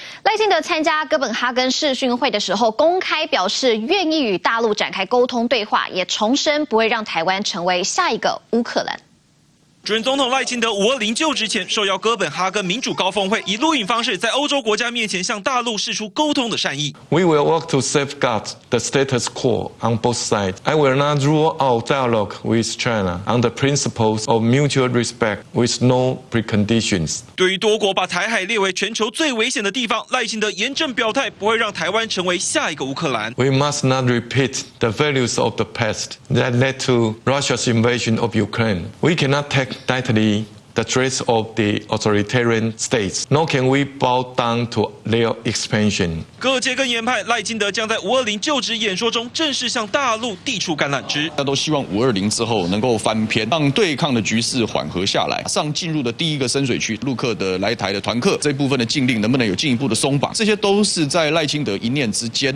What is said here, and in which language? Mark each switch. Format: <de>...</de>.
<zh>赖清德参加哥本哈根视讯会的时候，公开表示愿意与大陆展开沟通对话，也重申不会让台湾成为下一个乌克兰。准总统赖清德520就职前受邀哥本哈根民主高峰会，以录影方式在欧洲国家面前向大陆释出沟通的善意。</zh> <en>We will work to safeguard the status quo on both sides. I will not rule out dialogue with China on the principles of mutual respect with no preconditions.</en> <zh>对于多国把台海列为全球最危险的地方，赖清德严正表态不会让台湾成为下一个乌克兰。</zh> <en>We must not repeat the values of the past that led to Russia's invasion of Ukraine. We cannot take lightly the threats of the authoritarian states, nor can we bow down to their expansion.</en> <zh>各界更研判赖清德将在520就职演说中正式向大陆递出橄榄枝。大家都希望520之后能够翻篇，让对抗的局势缓和下来。上进入的第一个深水区，陆客的来台的团客这部分的禁令能不能有进一步的松绑？这些都是在赖清德一念之间。</zh>